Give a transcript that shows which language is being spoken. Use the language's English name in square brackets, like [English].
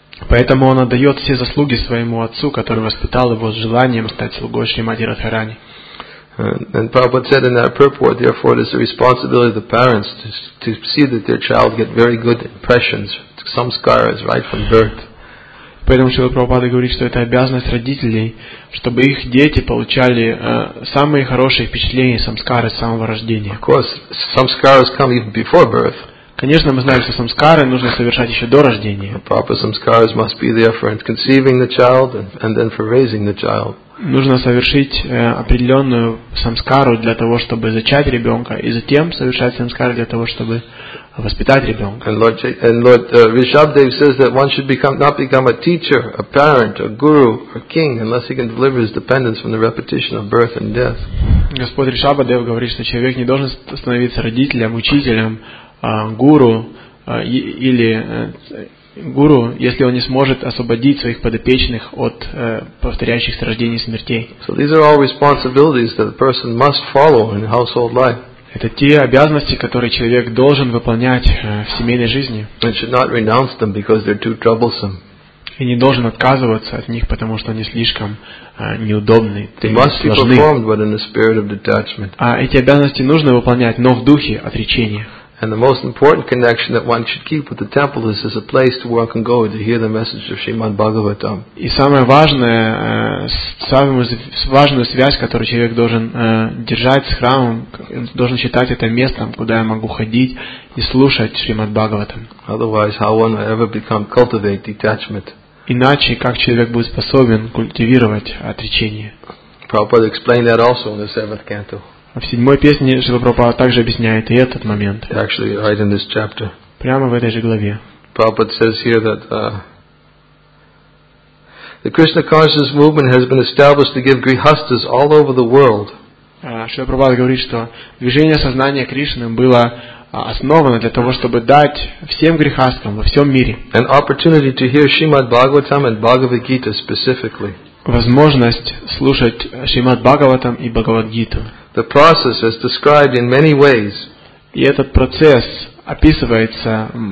[Russian] Поэтому он отдает все заслуги своему отцу, который воспитал его с желанием стать слугой Шримати Радхарани. [English] And Prabhupada said in that purport, therefore it is the responsibility of the parents to see that their child get very good impressions, some scars right from birth. [Russian] Поэтому Шрила Прабхупада говорит, что это обязанность родителей, чтобы их дети получали самые хорошие впечатления, самскары с самого рождения. [English] Of course, samskaras come even before birth. [Russian] Конечно, мы знаем, что самскары нужно совершать еще до рождения. [English] The proper samskaras must be there for conceiving the child and then for raising the child. [Russian] Нужно совершить определенную самскару для того, чтобы зачать ребенка, и затем совершать самскару для того, чтобы воспитать ребенка. [English] Ришабдев says that one should not become a teacher, a parent, a guru, a king, unless he can deliver his dependents from the repetition of birth and death. [Russian] Господь Ришабдев говорит, что человек не должен становиться родителем, учителем, гуру или гуру, если он не сможет освободить своих подопечных от повторяющихся рождений и смертей. [English] So these are all responsibilities that a person must follow in household life. [Russian] Это те обязанности, которые человек должен выполнять в семейной жизни. [English] And should not renounce them because they're too troublesome. [Russian] И не должен отказываться от них, потому что они слишком неудобны. [English] They must be performed, but in the spirit of detachment. [Russian] А эти обязанности нужно выполнять, но в духе отречения. [English] And the most important connection that one should keep with the temple is as a place to where one can go to hear the message of Srimad Bhagavatam. [Russian] И самая важная связь, которую человек должен держать с храмом, должен считать это местом, куда я могу ходить и слушать Шримад Бхагаватам. [English] Otherwise, how one will ever become cultivate detachment? [Russian] Иначе как человек будет способен культивировать отречение? [English] Prabhupada explained that also in the seventh canto. [Russian] В седьмой песне Шрила Прабхупада также объясняет и этот момент. [English] Actually, right in this chapter. [Russian] Прямо в этой же главе. [English] Prabhupada says here that The Krishna consciousness movement has been established to give grihasthas all over the world. [Russian] Шри Прабхупада говорит, что движение сознания Кришны было основано для того, чтобы дать всем грехастам во всем мире [English] an opportunity to hear Shrimad Bhagavatam and Bhagavad Gita specifically. [Russian] Возможность слушать Шримад Бхагаватам и Бхагавадгиту. [English] The process is described in many ways. [Russian] И этот процесс описывается.